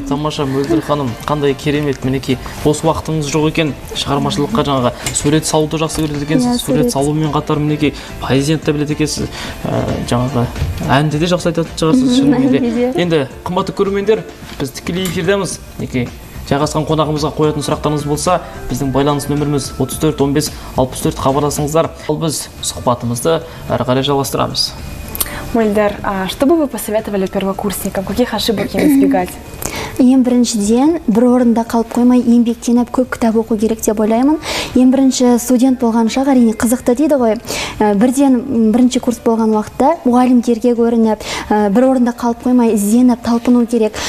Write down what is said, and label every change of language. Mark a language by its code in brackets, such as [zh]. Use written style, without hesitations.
[kk] Тамаша, Мөлдір ханым, қандай керемет, мінекі, осы уақытыңыз жоқ екен, шығармашылыққа жаңаға, сурет салуды жақсы көреді екенсіз, сурет салумен қатар, мінекі, поэзияны біледі екенсіз, жаңаға, әнді де жақсы айтатын шығарсыз, шығармайды. Енді, қымбатты көрермендер, біз тікелей эфирдеміз, мінекі. Жағасқан қонағымызға қоятын сұрақтарыңыз болса, біздің байланыс нөміріміз 34-15-64 хабарласыңыздар. Ал біз сұхбатымызды әрі қарай жалғастырамыз. [ru] Мөлдір, а что бы вы посоветовали первокурсникам? Каких ошибок избегать? [kk] Ең біріншіден, бір орында қалып қоймай, еңбектеніп көп кітап оқу керек деп ойлаймын. Ең бірінші студент болған шақ, әрине қызықты дейді ғой. Бірден бірінші курс болған уақытта мұғалімдерге көрініп, бір орында қалып қоймай, ізденіп, талпыну керек.